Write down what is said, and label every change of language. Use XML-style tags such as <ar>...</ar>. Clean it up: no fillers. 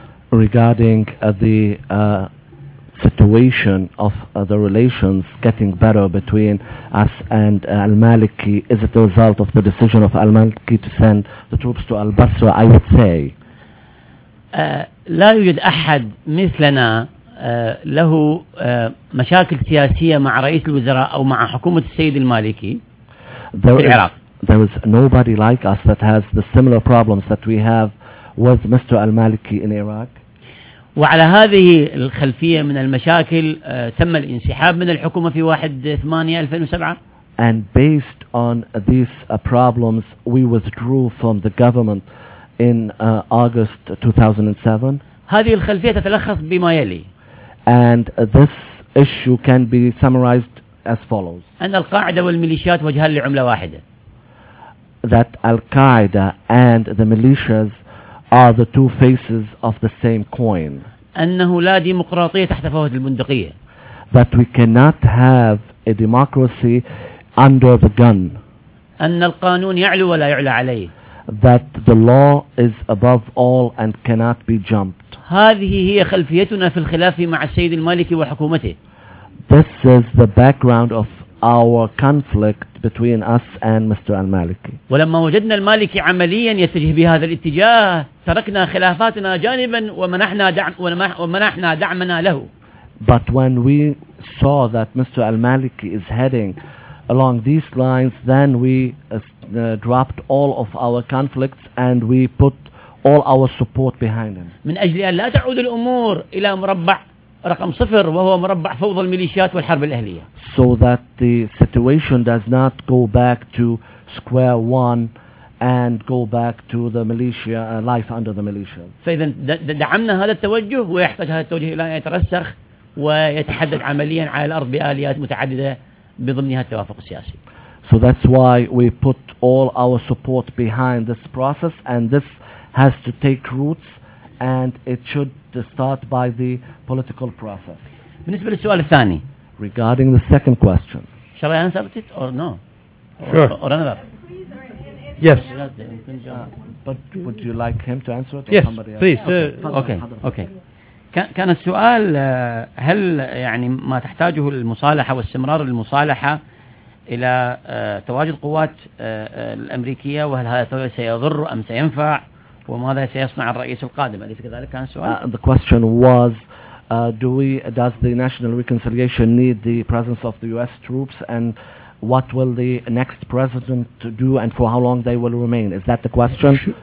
<en>regarding the situation of the relations getting better between us and al-Maliki, is it the result of the decision of al-Maliki to send the troops to al-Basra? I would say</en> <ar>لا يوجد أحد مثلنا له مشاكل سياسية مع رئيس الوزراء أو مع حكومة السيد المالكي في العراق.</ar> <en>There is nobody like us that has the similar problems that we have with Mr. Al-Maliki in Iraq.</en> <ar>وعلى هذه الخلفية من المشاكل تم الانسحاب من الحكومة في 1/8/2007.</ar> <en>And based on these problems, we withdrew from the government in August 2007.</en> <ar>هذه الخلفية تتلخص بما يلي.</ar> <en>And this issue can be summarized as follows.</en> <ar>أن القاعدة والميليشيات وجهان لعملة واحدة.</ar> <en>That Al-Qaeda and the militias are the two faces of the same coin.</en> <ar>أنه لا ديمقراطية تحت فوهة البندقية.</ar> <en>That we cannot have a democracy under the gun.</en> <ar>أن القانون يعلو ولا يعلى عليه.</ar> <en>That the law is above all and cannot be jumped.</en> <ar>هذه هي خلفيتنا في الخلاف مع السيد المالكي وحكومته.</ar> <en>This is the background of our conflict between us and Mr. Al-Maliki.</en> <ar>ولما وجدنا المالكي عمليا يتجه بهذا الاتجاه تركنا خلافاتنا جانبا ومنحنا دعمنا له.</ar> <en>But when we saw that Mr. Al-Maliki is heading along these lines, then we dropped all of our conflicts and we put all our support behind him.</en> <ar>من أجل أن لا تعود الأمور إلى مربع رقم صفر وهو مربع فوضى الميليشيات والحرب الأهلية.</ar> <en>So that the situation does not go back to square one and go back to the militia life under the militia.</en> <ar>فإذا دعمنا هذا التوجه ويحتاج هذا التوجه إلى أن يترسخ ويتحدد عمليا على الأرض بآليات متعددة بضمنها التوافق السياسي.</ar> <en>So that's why we put all our support behind this process, and this has to take roots, and it should start by the political process.</en> <ar>بالنسبة للسؤال الثاني.</ar> <en>Regarding the second question. Shall I answer it or no? Sure. Or another. Yes. But would you like him to answer it? Yes, or somebody please. Else? Okay.</en> <ar>كان السؤال هل يعني ما تحتاجه المصالحة واستمرار المصالحة إلى تواجد قوات الأمريكية وهل هذا التواجد سيضر أم سينفع وماذا سيصنع الرئيس القادم أليس كذلك كان السؤال؟</ar> <en>The question was does the national reconciliation need the presence of the US troops and what will the next president do and for how long they will remain, is that the question?</en>